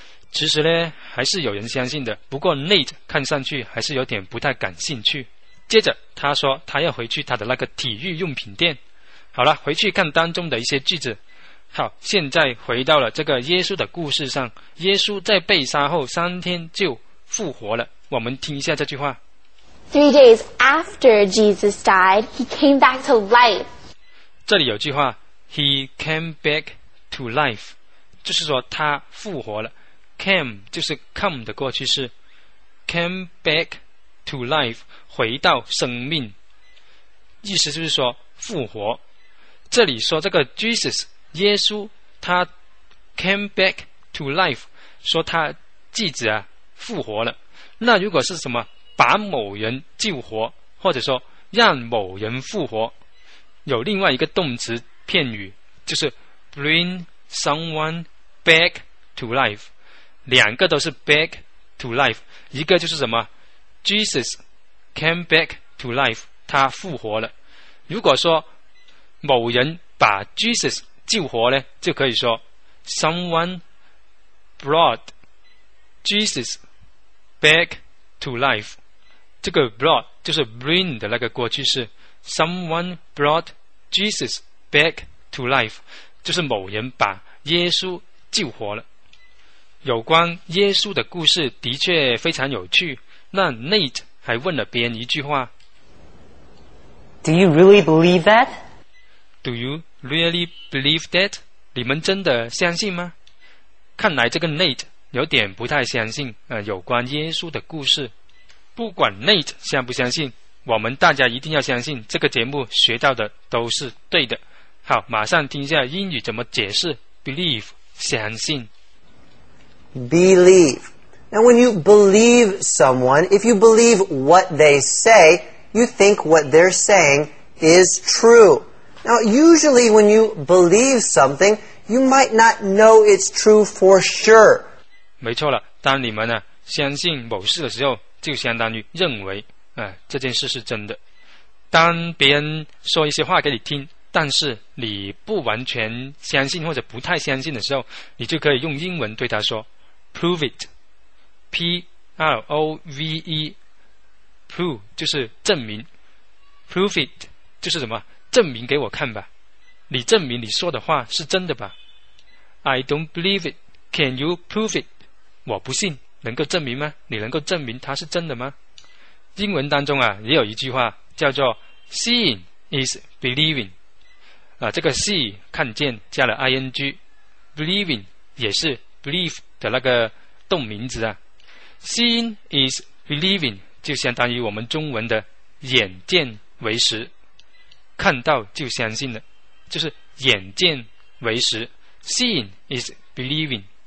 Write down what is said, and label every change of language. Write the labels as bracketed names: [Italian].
[Chinese] 其实呢，还是有人相信的，不过 Nate 看上去还是有点不太感兴趣。接着他说他要回去他的那个体育用品店。好了，回去看当中的一些句子。好，现在回到了这个耶稣的故事上，耶稣在被杀后3天就复活了，我们听一下这句话。 [English] 3 days after Jesus died, he came back to life. [Chinese] 这里有句话 , [English] he came back to life, [Chinese] 就是说他复活了。 came 就是 come 的过去式 , [English] came back to life, [Chinese] 回到生命。意思就是说复活。这里说这个 Jesus, 耶稣他 [English] came back to life, [Chinese] 说他继子啊复活了。那如果是什么把某人救活，或者说让某人复活，有另外一个动词片语，就是 [English] bring someone back to life， [Chinese] 两个都是 back to life， 一个就是什么 [English] Jesus came back to life， [Chinese] 他复活了。如果说某人把 Jesus 救活呢，就可以说 [English] someone brought Jesus back to life。 [Chinese] 这个 brought 就是 bring 的那个过去式， [English] someone brought Jesus back to life， [Chinese] 就是某人把耶稣救活了。有关耶稣的故事的确非常有趣，那 Nate 还问了别人一句话， [English] Do you really believe that? Do you really believe that? [Chinese] 你们真的相信吗？看来这个 Nate 有点不太相信有关耶稣的故事。不管 Nate 相不相信，我们大家一定要相信这个节目学到的都是对的。好，马上听一下英语怎么解释 believe 相信。 [English] Believe. Now when you believe someone, if you believe what they say, you think what they're saying is true. Now usually when you believe something, you might not know it's true for sure. [Chinese] 没错了，当你们相信某事的时候，就相当于认为这件事是真的。当别人说一些话给你听，但是你不完全相信或者不太相信的时候，你就可以用英文对他说 prove it， P-R-O-V-E， prove 就是证明， prove it 就是什么，证明给我看吧，你证明你说的话是真的吧。 [English] I don't believe it， can you prove it， [Chinese] 我不信，能够证明吗？你能够证明它是真的吗？英文当中也有一句话叫做 [English] Seeing is believing， [Chinese] 这个 see 看见加了 ing， Believing 也是 believe 的那个动名字Seeing is believing 就相当于我们中文的眼见为实，看到就相信了，就是眼见为实， Seeing is believing。